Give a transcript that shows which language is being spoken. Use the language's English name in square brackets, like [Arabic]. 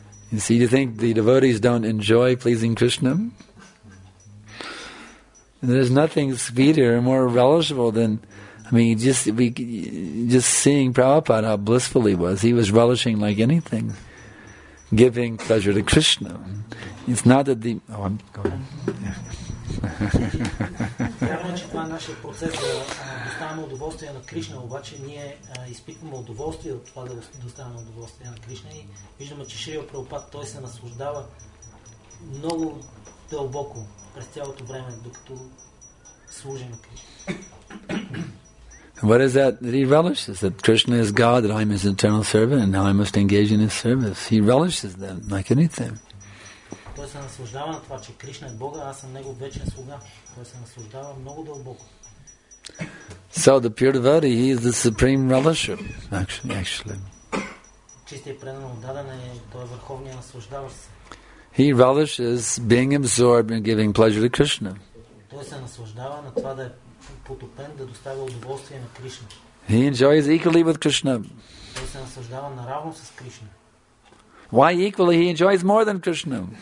[English] You see, you think the devotees don't enjoy pleasing Krishna? And there's nothing sweeter and more relishable than, I mean, just seeing Prabhupada, how blissful he was relishing like anything, giving pleasure to Krishna. It's not that the... Oh, I'm going... [Bulgarian] Вярно, че това е нашия процес да доставяме удоволствие на Кришна, обаче ние изпитваме удоволствие от това да доставяме удоволствие на Кришна и виждаме, че Шрила Прабхупад той се наслаждава много дълбоко през цялото време, докато служи на Кришна. [English] What is that he relishes? That Krishna is God, that I am his eternal servant and now I must engage in his service. He relishes that like anything. [Bulgarian] Той се наслаждава на това, че Кришна е Бога, аз съм Негов вечен слуга. Той се наслаждава много дълбоко. [English] So the pure devotee, he is the supreme relisher, actually. [Bulgarian] Чистият преданно отдаден е, той е върховният наслаждаващ се. [English] He relishes being absorbed in giving pleasure to Krishna. [Bulgarian] Той се наслаждава на това да е потопен, да доставя удоволствие на Кришна. [English] He enjoys equally with Krishna. [Bulgarian] Той се наслаждава наравно с Кришна. [English] Why equally he enjoys more than Krishna?